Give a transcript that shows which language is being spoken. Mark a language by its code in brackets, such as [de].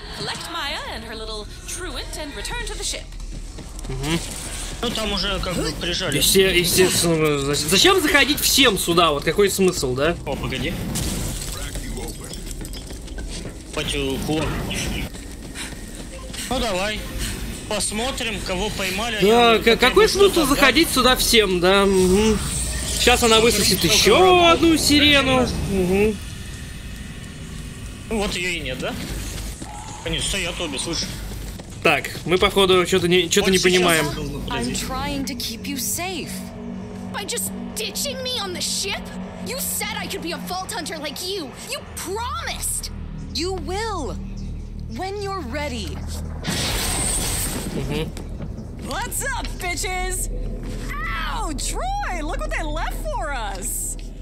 [en] Collect Maya and her little truant and return to the ship. Угу. [ru] Ну там уже как бы прижали. Все, естественно, зачем заходить всем сюда? Вот какой смысл, да? О, погоди. Потюху. Ну давай. Посмотрим, кого поймали. Да, какой смысл заходить сюда всем, да? Угу. Сейчас она высосит еще одну сирену. Угу. Ну вот ее и нет, да? Они стоят обе, слышишь? Так, мы походу что-то не понимаем. [en] I'm trying to keep you safe. By just ditching me on the ship? You said I could be a vault hunter like you. You promised. You will. When you're ready. Mm-hmm. What's up, bitches? Ow, Troy, look what they left for us.